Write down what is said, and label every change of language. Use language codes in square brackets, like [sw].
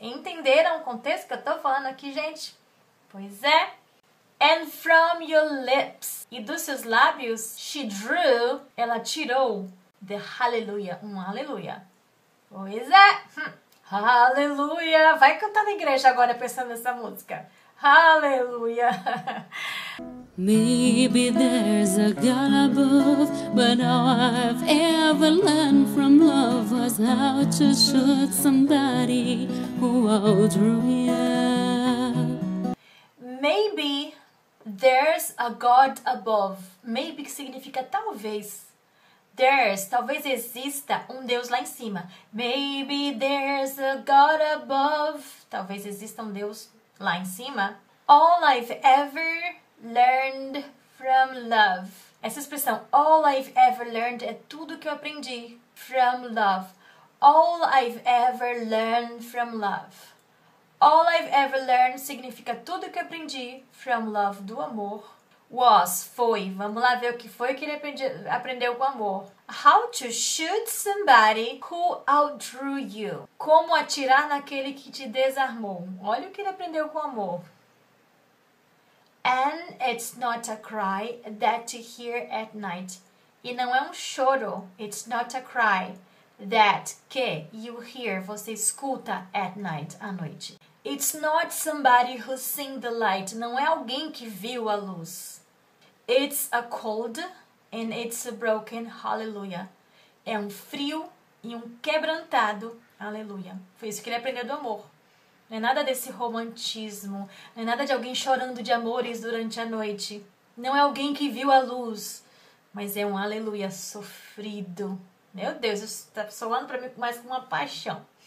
[pt] Entenderam o contexto que eu tô falando aqui, gente? Pois é. And from your lips. E dos seus lábios, she drew, ela tirou the hallelujah, um aleluia. Pois é. Aleluia! Vai cantar na igreja agora pensando nessa música. Aleluia! [en] Maybe there's a God above, but all I've ever learned from love was how to shoot somebody who all drew me up. Maybe there's a God above. [pt] Maybe que significa talvez. There's, talvez exista um Deus lá em cima. [en] Maybe there's a God above. [pt] Talvez exista um Deus lá em cima. [en] All I've ever learned from love. [pt] Essa expressão, all I've ever learned, é tudo que eu aprendi from love. [en] All I've ever learned from love. [pt] All I've ever learned significa tudo que eu aprendi from love, do amor. Was, foi. Vamos lá ver o que foi que ele aprendeu com amor. [en] How to shoot somebody who outdrew you. [pt] Como atirar naquele que te desarmou. Olha o que ele aprendeu com amor. [en] And it's not a cry that you hear at night. [pt] E não é um choro. It's not a cry that que you hear, você escuta at night, à noite. [en] It's not somebody who's seen the light. [pt] Não é alguém que viu a luz. [en] It's a cold and it's a broken hallelujah. [pt] É um frio e um quebrantado aleluia. Foi isso que ele aprendeu do amor. Não é nada desse romantismo. Não é nada de alguém chorando de amores durante a noite. Não é alguém que viu a luz. Mas é um aleluia sofrido. Meu Deus, isso tá soando pra mim mais com uma paixão.